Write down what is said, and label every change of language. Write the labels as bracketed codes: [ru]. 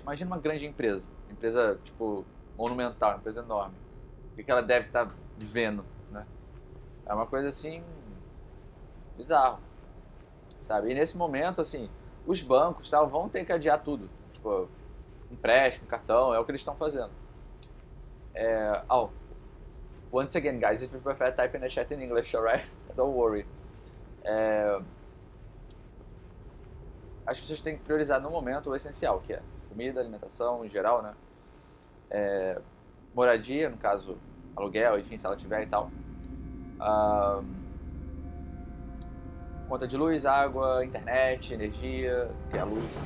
[pt] Imagina uma grande empresa. Empresa, tipo, monumental, empresa enorme. O que ela deve estar vivendo, né? É uma coisa, assim, bizarro. Sabe? E nesse momento, assim, os bancos, tal, vão ter que adiar tudo. Tipo, empréstimo, cartão, é o que eles estão fazendo. [en] Once again, guys, if you prefer type in the chat in English, alright? Don't worry. [pt] As pessoas têm que priorizar no momento o essencial, que é comida, alimentação em geral, né? Moradia, no caso, aluguel, enfim, se ela tiver e tal. Conta de luz, água, internet, energia, que é a luz.